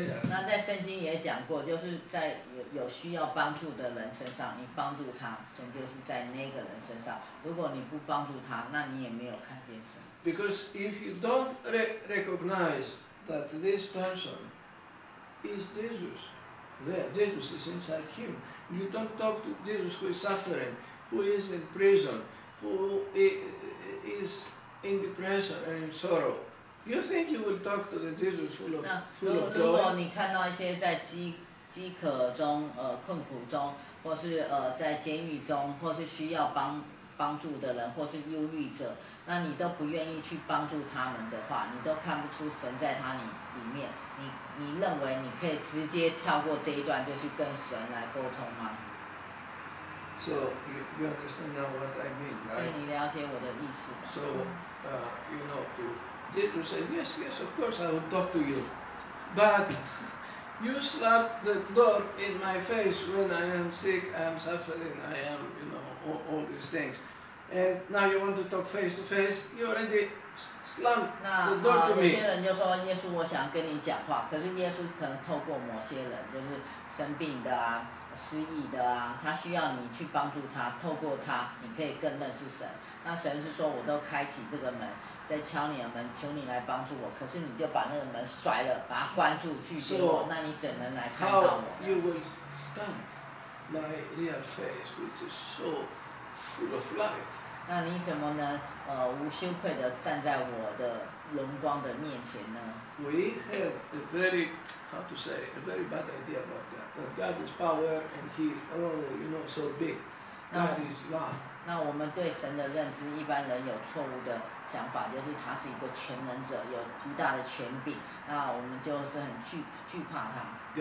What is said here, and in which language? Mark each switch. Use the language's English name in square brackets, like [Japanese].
[Chinese] 那在圣经也讲过，就是在有需要帮助的人身上，你帮助他，神就是在那个人身上。如果你不帮助他，那你也没有看见神。 [English] Because if you don't recognize that this person is Jesus, there, Jesus is inside him, you don't talk to Jesus who is suffering, who is in prison. Who is in depression and in sorrow? You think you will talk to the Jesus full of joy? [Chinese] 如果你看到一些在饥渴中、困苦中，或是在监狱中，或是需要帮助的人，或是忧郁者，那你都不愿意去帮助他们的话，你都看不出神在他里面。你认为你可以直接跳过这一段，就去跟神来沟通吗？ [English] So you understand now what I mean, right? So, you know, to Jesus said, yes, of course I will talk to you, but you slap the door in my face when I am sick, I am suffering, I am, you know, all these things, and now you want to talk face to face, you already slammed the door to me. [Chinese] 有些人就说耶稣，我想跟你讲话，可是耶稣可能透过某些人，就是生病的啊。失意的啊，他需要你去帮助他，透过他，你可以更认识神。那神是说，我都开启这个门，在敲你的门，求你来帮助我。可是你就把那个门摔了，把它关住，拒绝我，那你怎能来看到我 [English] ？How you will stand my real face, which is so full of light? [Chinese] 那你怎么能无羞愧的站在我的荣光的面前呢？ [English] We have a very, how to say, a very bad idea about God. That God is power and He is, oh, you know, so big. God is love. [Chinese] 那我们对神的认知，一般人有错误的想法，就是他是一个全能者，有极大的权柄，那我们就是很惧怕他。